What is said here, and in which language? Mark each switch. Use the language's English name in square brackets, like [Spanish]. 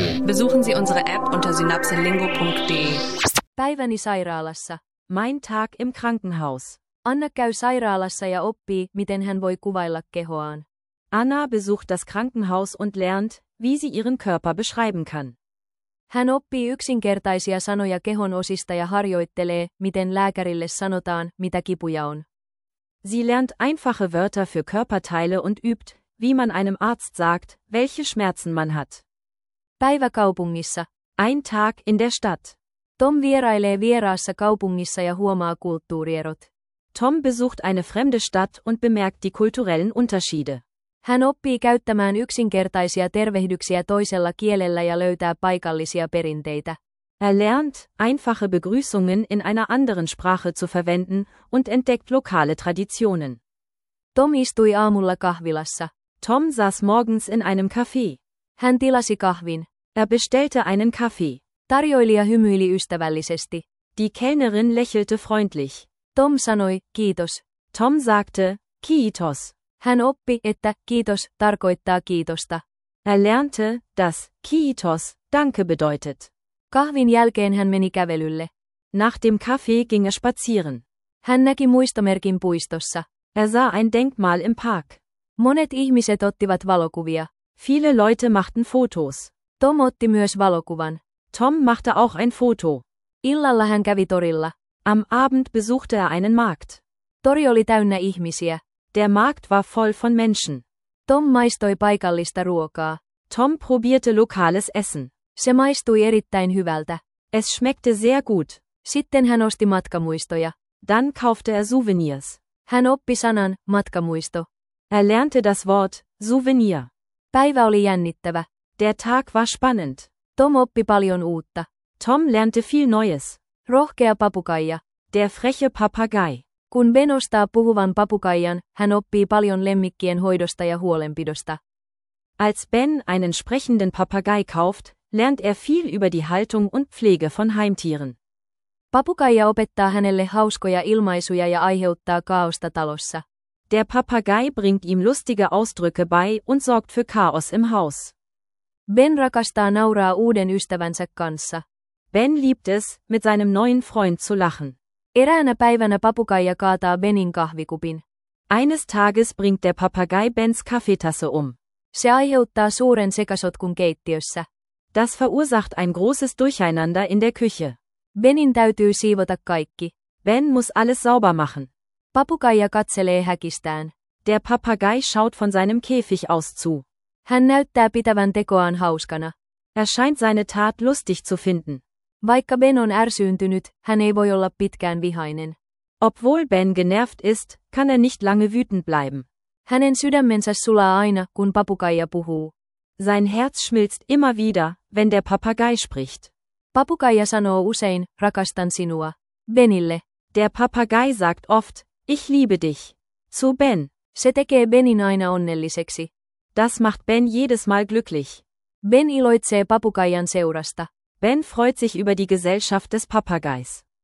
[German] Besuchen Sie unsere App unter synapsenlingo.de. [Finnish] Päiväni sairaalassa. [German] Mein Tag im Krankenhaus. [Finnish] Anna käy sairaalassa ja oppii, miten hän voi kuvailla kehoaan. [German] Anna besucht das Krankenhaus und lernt, wie sie ihren Körper beschreiben kann. [Finnish] Hän oppii yksinkertaisia sanoja kehon osista ja harjoittelee, miten lääkärille sanotaan, mitä kipuja on. [German] Sie lernt einfache Wörter für Körperteile und übt, wie man einem Arzt sagt, welche Schmerzen man hat. [Finnish] Päivä kaupungissa. [German] Ein Tag in der Stadt. [Finnish] Tom vierailee vieraassa kaupungissa ja huomaa kulttuurierot. [German] Tom besucht eine fremde Stadt und bemerkt die kulturellen Unterschiede. [Finnish] Hän oppii käyttämään yksinkertaisia tervehdyksiä toisella kielellä ja löytää paikallisia perinteitä. [German] Er lernt, einfache Begrüßungen in einer anderen Sprache zu verwenden und entdeckt lokale Traditionen. [Finnish] Tom istui aamulla kahvilassa. [German] Tom saß morgens in einem Café. [Finnish] Hän tilasi kahvin. [German] Er bestellte einen Kaffee. [Finnish] Tarjoilija hymyili ystävällisesti. [German] Die Kellnerin lächelte freundlich. [Finnish] Tom sanoi, kiitos. [German] Tom sagte, kiitos. [Finnish] Hän oppi, että kiitos tarkoittaa kiitosta. [German] Er lernte, dass kiitos danke bedeutet. [Finnish] Kahvin jälkeen hän meni kävelylle. [German] Nach dem Kaffee ging er spazieren. [Finnish] Hän näki muistomerkin puistossa. [German] Er sah ein Denkmal im Park. [Finnish] Monet ihmiset ottivat valokuvia. [German] Viele Leute machten Fotos. [Finnish] Tom otti myös valokuvan. [German] Tom machte auch ein Foto. [Finnish] Illalla hän kävi torilla. [German] Am Abend besuchte er einen Markt. [Finnish] Tori oli täynnä ihmisiä. [German] Der Markt war voll von Menschen. [Finnish] Tom maistoi paikallista ruokaa. [German] Tom probierte lokales Essen. [Finnish] Se maistui erittäin hyvältä. [German] Es schmeckte sehr gut. [Finnish] Sitten hän osti matkamuistoja. [German] Dann kaufte er Souvenirs. [Finnish] Hän oppi sanan, matkamuisto. [German] Er lernte das Wort, Souvenir. [Finnish] Päivä oli jännittävä. [German] Der Tag war spannend. [Finnish] Tom oppi paljon uutta. [German] Tom lernte viel Neues. [Finnish] Rohkea papukaija. [German] Der freche Papagei. [Finnish] Kun Ben ostaa puhuvan papukaijan, hän oppii paljon lemmikkien hoidosta ja huolenpidosta. [German] Als Ben einen sprechenden Papagei kauft, lernt er viel über die Haltung und Pflege von Heimtieren. [Finnish] Papukaija opettaa hänelle hauskoja ilmaisuja ja aiheuttaa kaaosta talossa. [German] Der Papagei bringt ihm lustige Ausdrücke bei und sorgt für Chaos im Haus. [Finnish] Ben rakastaa nauraa uuden ystävänsä kanssa. [German] Ben liebt es, mit seinem neuen Freund zu lachen. [Finnish] Eräänä päivänä papukaija kaataa Benin kahvikupin. [German] Eines Tages bringt der Papagei Bens Kaffeetasse um. [Finnish] Se aiheuttaa suuren sekasotkun keittiössä. [German] Das verursacht ein großes Durcheinander in der Küche. [Finnish] Benin täytyy siivota kaikki. [German] Ben muss alles sauber machen. [Finnish] Papukaija katselee häkistään. [German] Der Papagei schaut von seinem Käfig aus zu. [Finnish] Hän näyttää pitävän tekoaan hauskana. [German] Er scheint seine Tat lustig zu finden. [Finnish] Vaikka Ben on ärsyyntynyt, hän ei voi olla pitkään vihainen. [German] Obwohl Ben genervt ist, kann er nicht lange wütend bleiben. [Finnish] Hänen sydämensä sulaa aina, kun papukaija puhuu. [German] Sein Herz schmilzt immer wieder, wenn der Papagei spricht. [Finnish] Papukaija sanoo usein, rakastan sinua. Benille. [German] Der Papagei sagt oft, ich liebe dich. Zu Ben. [Finnish] Se tekee Benin aina onnelliseksi. [German] Das macht Ben jedes Mal glücklich. [Finnish] Ben iloitsee papukaijan seurasta. [German] Ben freut sich über die Gesellschaft des Papageis.